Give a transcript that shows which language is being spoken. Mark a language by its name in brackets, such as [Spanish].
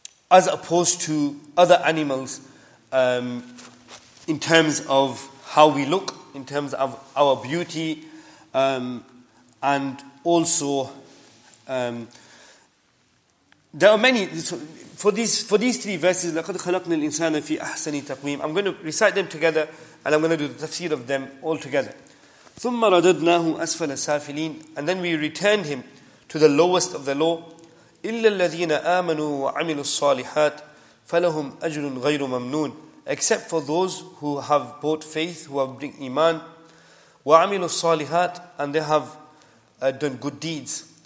[English] as opposed to other animals, in terms of how we look, in terms of our beauty, and also there are many. So for these three verses, [Arabic] لَقَدْ خَلَقْنَا الْإِنسَانَ فِي أَحْسَنِ تَقْوِيمٍ. [English] I'm going to recite them together, and I'm going to do the tafsir of them all together. [Arabic] ثُمَّ رَدَدْنَاهُ أَسْفَلَ السَّافِلِينَ. [English] And then we returned him to the lowest of the low. [Arabic] إِلَّا الَّذِينَ آمَنُوا وَعَمِلُوا الصَّالِحَاتِ فَلَهُمْ أَجْرٌ غَيْرُ مَمْنُونَ. [English] Except for those who have bought faith, who have bring iman, [Arabic] وَعَمِلُوا الصَّالِحَاتِ, [English] and they have done good deeds.